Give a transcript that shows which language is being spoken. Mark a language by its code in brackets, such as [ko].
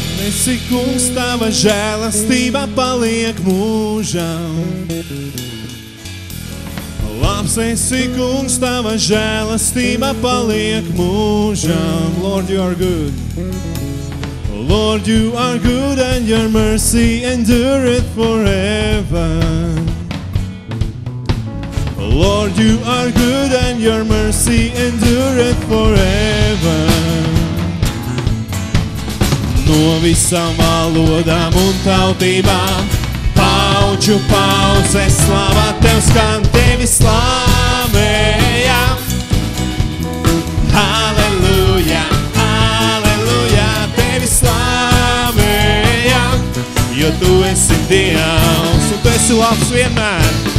[lv] Esi, kungs, Tava žēlastība paliek mūžam. Labs esi, kungs, Tava žēlastība paliek mūžam. [en] Lord, You are good. Lord, You are good and Your mercy endureth forever. Lord, you are good and your mercy endureth forever. [lv] No visām valodām un tautībām paaudžu paaudze slāvā Tev skan, Tevi slāvējām. Halleluja, halleluja, Tevi slāvējām, jo Tu esi Dievs un Tu esi labs vienmēr.